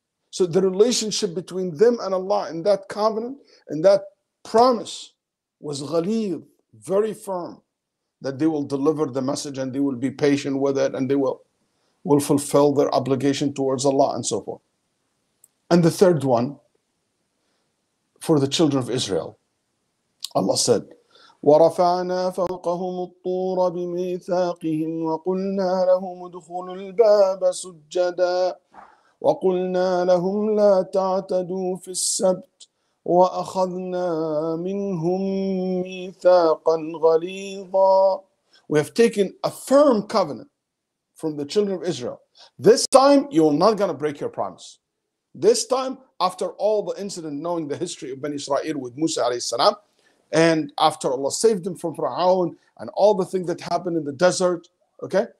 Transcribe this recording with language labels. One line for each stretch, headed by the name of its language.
English: So the relationship between them and Allah in that covenant, in that promise, was ghaliz, very firm, that they will deliver the message and they will be patient with it and they will fulfill their obligation towards Allah and so forth. And the third one, for the children of Israel, Allah said,
Arabic: ورفعنا فوقهم الطور بميثاقهم وقلنا لهم ادخلوا الباب سجدا وقلنا لهم لا تعتدوا في السبت وأخذنا منهم ميثاقا غليظا.
English: We have taken a firm covenant from the children of Israel. This time you're not going to break your promise. This time, after all the incident, knowing the history of Bani Israel with Musa alayhi salam, and after Allah saved them from Fir'aun and all the things that happened in the desert, okay?